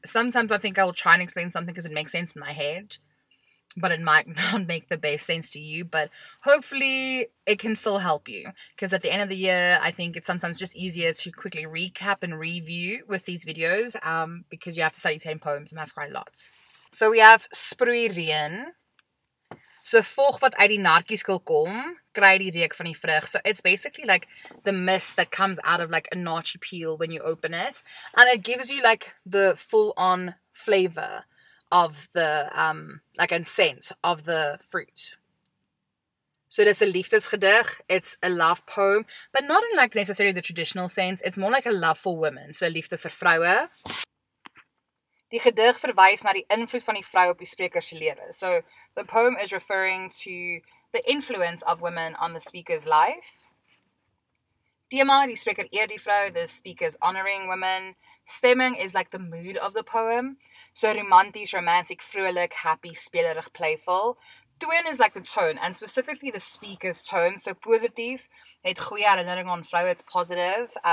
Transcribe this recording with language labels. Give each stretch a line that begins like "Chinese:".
English: Sometimes I think I will try and explain something because it makes sense in my head. But it might not make the best sense to you. But hopefully it can still help you. Because at the end of the year, I think it's sometimes just easier to quickly recap and review with these videos. Because you have to study 10 poems and that's quite a lot. So we have Sproeireën.
Afrikaans: So volg wat uit die naartjie skil kom, kry die reek van die vrug.
English: So it's basically like the mist that comes out of like a naartjie peel when you open it. And it gives you like the full on flavor of the like and scent of the fruit. So it is a liefdesgedig, it's a love poem, but not in like necessarily the traditional sense. It's more like a love for women, so
Afrikaans: liefde vir vroue. Die gedig verwys na die invloed van die vrou op die spreker se lewe.
English: So the poem is referring to the influence of women on the speaker's life.
Afrikaans: Tema, die spreker eer die vrou,
English: the speaker's honoring women. Stemming is like the mood of the poem. So romantisch, romantic, vrolijk, happy, spelerig, playful. Toon is like the tone, and specifically the speaker's tone.
Afrikaans: So positief, het goeie herinnering aan vrou,
English: it's positive.